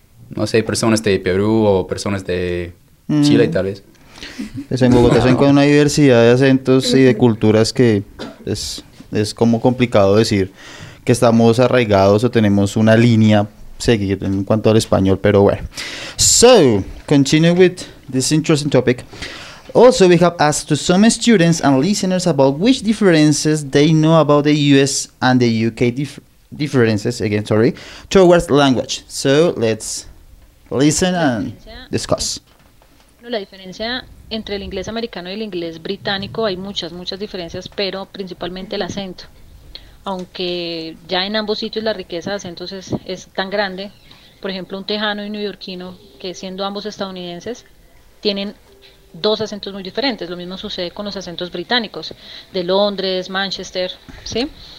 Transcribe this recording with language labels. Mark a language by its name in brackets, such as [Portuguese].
[Spanish] No sé, personas de Perú o personas de Chile, tal vez. Pues en Bogotá son con una diversidad de acentos y de culturas que es como complicado decir que estamos arraigados o tenemos una línea seguida en cuanto al español, pero bueno. [English] So, continue with this interesting topic. Also, we have asked to some students and listeners about which differences they know about the US and the UK differences, again, sorry, towards language. So, let's listen and discuss. [Spanish] Bueno, la diferencia entre el inglés americano y el inglés británico, hay muchas, muchas diferencias, pero principalmente el acento. Aunque ya en ambos sitios la riqueza de acentos es tan grande, por ejemplo, un tejano y un neoyorquino, que siendo ambos estadounidenses, tienen 2 acentos muy diferentes. Lo mismo sucede con los acentos británicos, de Londres, Manchester, ¿sí?